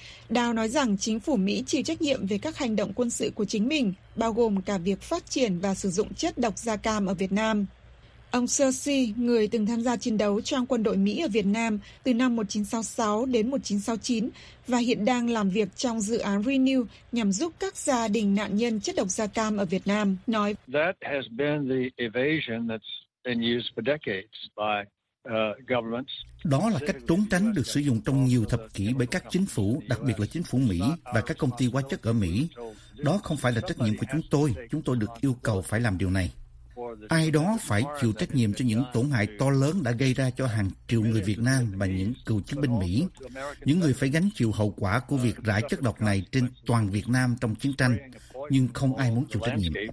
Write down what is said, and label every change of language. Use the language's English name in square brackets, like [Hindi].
[Vietnamese] Dow nói rằng chính phủ Mỹ chịu trách nhiệm về các hành động quân sự của chính mình, bao gồm cả việc phát triển và sử dụng chất độc da cam ở Việt Nam. Ông Searcy, người từng tham gia chiến đấu trong quân đội Mỹ ở Việt Nam từ năm 1966 đến 1969 và hiện đang làm việc trong dự án Renew nhằm giúp các gia đình nạn nhân chất độc da cam ở Việt Nam, nói [English] that has been the evasion that's been used for decades by governments. [Vietnamese] Đó là cách trốn tránh được sử dụng trong nhiều thập kỷ bởi các chính phủ, đặc biệt là chính phủ Mỹ và các công ty hóa chất ở Mỹ. Đó không phải là trách nhiệm của chúng tôi được yêu cầu phải làm điều này. Ai đó phải chịu trách nhiệm cho những tổn hại to lớn đã gây ra cho hàng triệu người Việt Nam và những cựu chiến binh Mỹ, những người phải gánh chịu hậu quả của việc rải chất độc này trên toàn Việt Nam trong chiến tranh, nhưng không ai muốn chịu trách nhiệm.